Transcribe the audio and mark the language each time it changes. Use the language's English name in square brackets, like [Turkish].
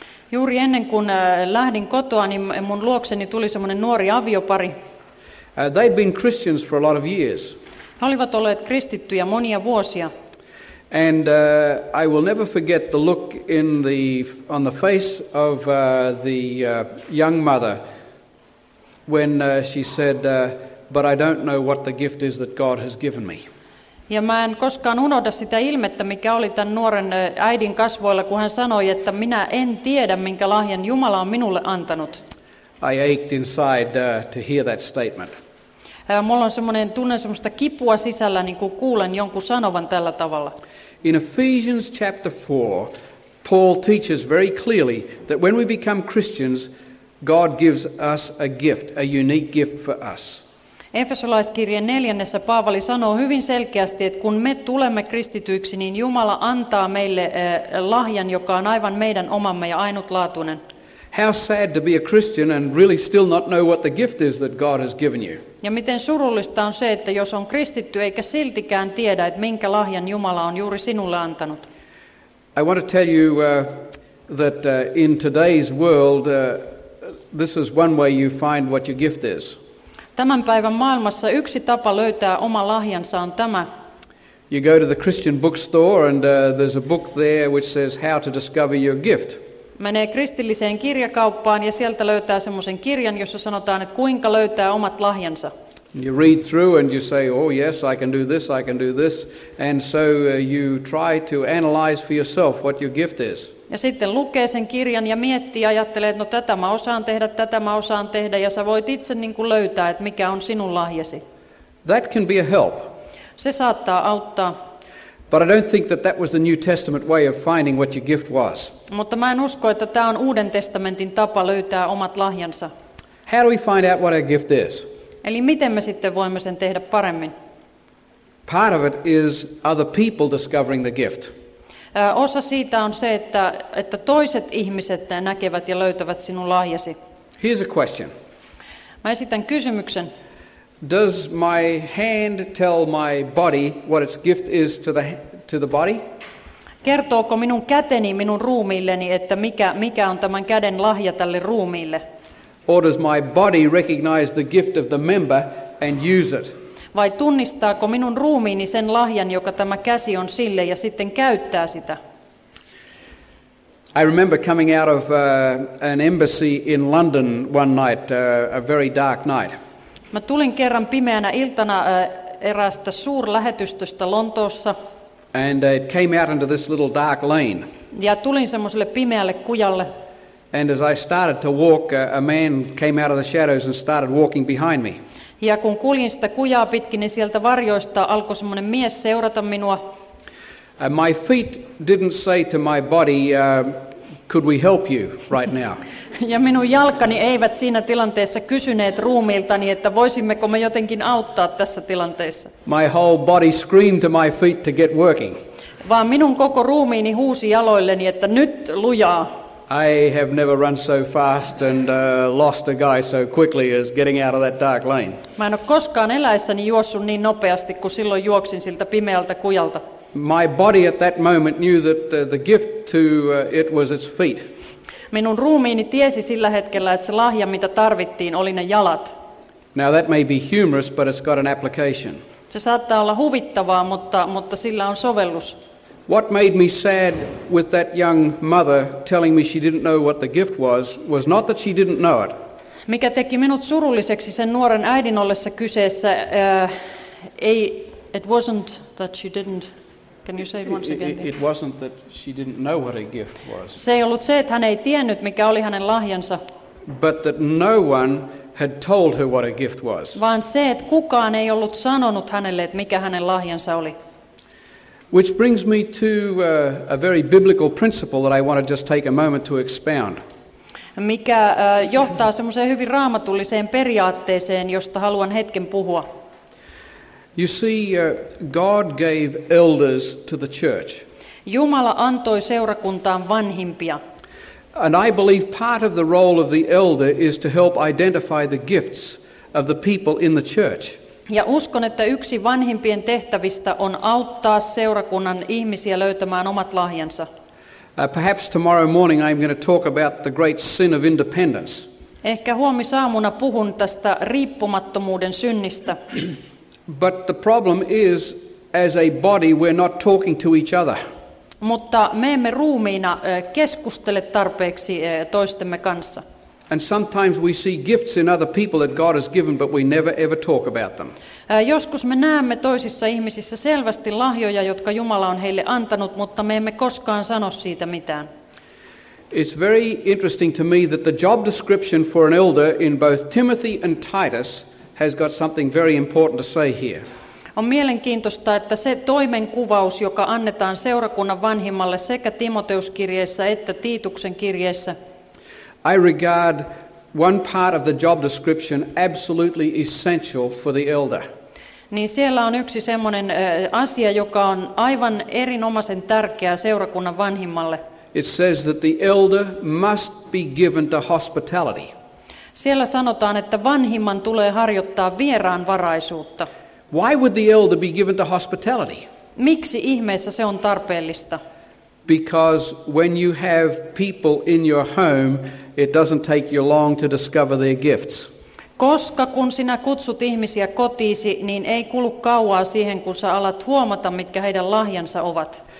[Finnish] Juuri ennen kuin lähdin kotoa, niin mun luokseni tuli semmoinen nuori aviopari. [English] They'd been Christians for a lot of years. [Finnish] He olivat olleet kristittyjä monia vuosia. [English] And I will never forget the look on the face of the young mother when she said, "But I don't know what the gift is that God has given me." [Finnish] Ja mä en koskaan unohda sitä ilmettä, mikä oli tämän nuoren äidin kasvoilla, kun hän sanoi, että minä en tiedä, minkä lahjan Jumala on minulle antanut. [English] I ached inside to hear that statement. [Finnish] Mulla on semmoinen tunne semmoista kipua sisällä, niin kuin kuulen jonkun sanovan tällä tavalla. [English] In Ephesians chapter 4, Paul teaches very clearly that when we become Christians, God gives us a gift, a unique gift for us. [Finnish] Efesolaiskirjeen 4. Paavali sanoo hyvin selkeästi, että kun me tulemme kristityiksi, niin Jumala antaa meille lahjan, joka on aivan meidän omamme ja ainutlaatuinen. [English] How sad to be a Christian and really still not know what the gift is that God has given you. [Finnish] Ja miten surullista on se, että jos on kristitty eikä siltikään tiedä, että minkä lahjan Jumala on juuri sinulle antanut. [English] I want to tell you that in today's world this is one way you find what your gift is. [Finnish] Tämän päivän maailmassa yksi tapa löytää oma lahjansa on tämä. [English] You go to the Christian bookstore and there's a book there which says how to discover your gift. Menee kristilliseen kirjakauppaan ja sieltä löytää semmoisen kirjan, jossa sanotaan, että kuinka löytää omat lahjansa. You read through and you say, "Oh yes, I can do this, I can do this." And so you try to analyze for yourself what your gift is. [Finnish] Ja sitten lukee sen kirjan ja miettii ja ajattelee, että no tätä mä osaan tehdä, tätä mä osaan tehdä. Ja sä voit itse niin kuin löytää, että mikä on sinun lahjasi. [English] That can be a help. [Finnish] Se saattaa auttaa. [English] But I don't think that that was the New Testament way of finding what your gift was. [Finnish] Mutta mä en usko, että tämä on Uuden testamentin tapa löytää omat lahjansa. [English] How do we find out what our gift is? [Finnish] Eli miten me sitten voimme sen tehdä paremmin? [English] Part of it is other people discovering the gift. [Finnish] Osa siitä on se, että toiset ihmiset näkevät ja löytävät sinun lahjasi. [English] Here's a question. [Finnish] Mä esitän kysymyksen. [English] Does my hand tell my body what its gift is to the body? [Finnish] Kertooko minun käteni minun ruumiilleni, että mikä on tämän käden lahja tälle ruumiille? [English] Or does my body recognize the gift of the member and use it? [Finnish] Vai tunnistaako minun ruumiini sen lahjan, joka tämä käsi on sille ja sitten käyttää sitä? [English] I remember coming out of an embassy in London one night, a very dark night. [Finnish] Mä tulin kerran pimeänä iltana eräästä suurlähetystöstä Lontoossa. [English] And it came out into this little dark lane. [Finnish] Ja tulin semmoiselle pimeälle kujalle. [English] And as I started to walk, a man came out of the shadows and started walking behind me. [Finnish] Ja kun kuljin sitä kujaa pitkin, niin sieltä varjoista alkoi semmoinen mies seurata minua. [English] My feet didn't say to my body, could we help you right now? [Finnish] Ja minun jalkani eivät siinä tilanteessa kysyneet ruumiiltani, että voisimmeko me jotenkin auttaa tässä tilanteessa. [English] My whole body screamed to my feet to get working. [Finnish] Vaan minun koko ruumiini huusi jaloilleni, että nyt lujaa. [English] I have never run so fast and lost a guy so quickly as getting out of that dark lane. [Finnish] Mä en ole koskaan eläessäni juossut niin nopeasti kuin silloin juoksin siltä pimeältä kujalta. [English] My body at that moment knew that the gift to it was its feet. [Finnish] Minun ruumiini tiesi sillä hetkellä, että se lahja, mitä tarvittiin, oli ne jalat. [English] Now that may be humorous, but it's got an application. [Finnish] Se saattaa olla huvittavaa, mutta sillä on sovellus. [English] What made me sad with that young mother telling me she didn't know what the gift was not that she didn't know it. [Finnish] Mikä teki minut surulliseksi sen nuoren äidin ollessa kyseessä, [English] it wasn't that she didn't. Can you say it once again? It wasn't that she didn't know what her gift was. [Finnish] Se ei ollut se, että hän ei tiennyt, mikä oli hänen lahjansa. [English] But that no one had told her what her gift was. [Finnish] Vaan se, että kukaan ei ollut sanonut hänelle, että mikä hänen lahjansa oli. [English] Which brings me to a very biblical principle that I want to just take a moment to expound. [Finnish] Mikä johtaa semmoiseen hyvin raamatulliseen periaatteeseen, josta haluan hetken puhua. [English] You see, God gave elders to the church. [Finnish] Jumala antoi seurakuntaan vanhimpia. [English] And I believe part of the role of the elder is to help identify the gifts of the people in the church. [Finnish] Ja uskon, että yksi vanhimpien tehtävistä on auttaa seurakunnan ihmisiä löytämään omat lahjansa. [English] Perhaps tomorrow morning I'm going to talk about the great sin of independence. [Finnish] Ehkä huomisaamuna puhun tästä riippumattomuuden synnistä. [English] But the problem is, as a body, we're not talking to each other. [Finnish] Mutta me emme ruumiina keskustele tarpeeksi toistemme kanssa. [English] And sometimes we see gifts in other people that God has given, but we never ever talk about them. [Finnish] Joskus me näemme toisissa ihmisissä selvästi lahjoja, jotka Jumala on heille antanut, mutta me emme koskaan sano siitä mitään. [English] It's very interesting to me that the job description for an elder in both Timothy and Titus has got something very important to say here. [Finnish] On mielenkiintoista, että se toimenkuvaus, joka annetaan seurakunnan vanhimmalle sekä Timoteuskirjeessä että Tiituksen kirjeessä. [English] I regard one part of the job description absolutely essential for the elder. [Finnish] Niin siellä on yksi semmoinen asia, joka on aivan erinomaisen tärkeä seurakunnan vanhimmalle. [English] It says that the elder must be given to hospitality. [Finnish] Siellä sanotaan, että vanhimman tulee harjoittaa vieraanvaraisuutta. [English] Why would the elder be given to hospitality? [Finnish] Miksi ihmeessä se on tarpeellista? [English] Because when you have people in your home, it doesn't take you long to discover their gifts. [Finnish] Koska kun sinä kutsut ihmisiä kotiisi, niin ei kulu kauaa siihen, kun sä alat huomata, mitkä heidän lahjansa ovat.